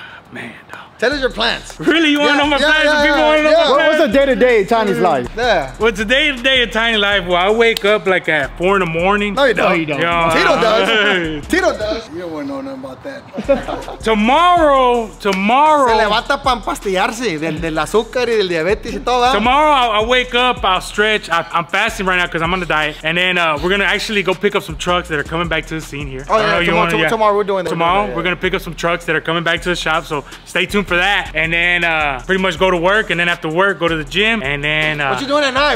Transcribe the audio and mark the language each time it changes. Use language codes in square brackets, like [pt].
[en] Man, dog. Tell us your plans. Really? You want to know my plans? People want to know my plans? What's the day-to-day in Tiny's life? Yeah. What's the day-to-day in Tiny's life? Well, I wake up like at 4 in the morning. No, you don't. No, you don't. Yeah. Tito does. Tito does. You don't want to know nothing about that. Tomorrow. [es] Se levanta para empastillarse del azúcar y del diabetes y todo. [en] Tomorrow, I wake up, I'll stretch. I'm fasting right now because I'm on the diet. And then we're going to actually go pick up some trucks that are coming back to the scene here. Tomorrow, we're going to pick up some trucks that are coming back to the shop. So stay tuned for that, and then pretty much go to work, and then after work go to the gym, and then what you doing at night?